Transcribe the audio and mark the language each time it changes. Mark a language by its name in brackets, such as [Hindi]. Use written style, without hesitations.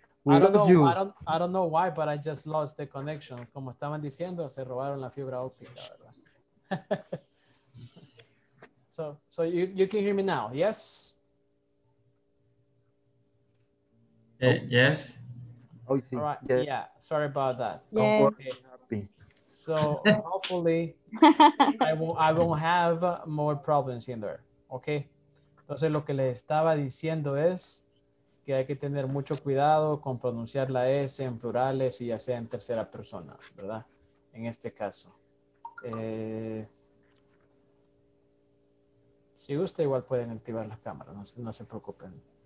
[English] I don't know why, but I just lost the connection. [Spanish] Como estaban diciendo, se robaron la fibra óptica, ¿verdad? [English] So you can hear me now, yes? Yes. Oh, you see. All right, yes. Yeah, sorry about that. Yes. Okay. So hopefully I won't have more problems in there, okay? [Spanish] Entonces lo que les estaba diciendo es que hay que tener mucho cuidado con pronunciar la S en plurales y ya sea en tercera persona, ¿verdad? En este caso. Si gusta, igual pueden activar las cámaras, no se preocupen.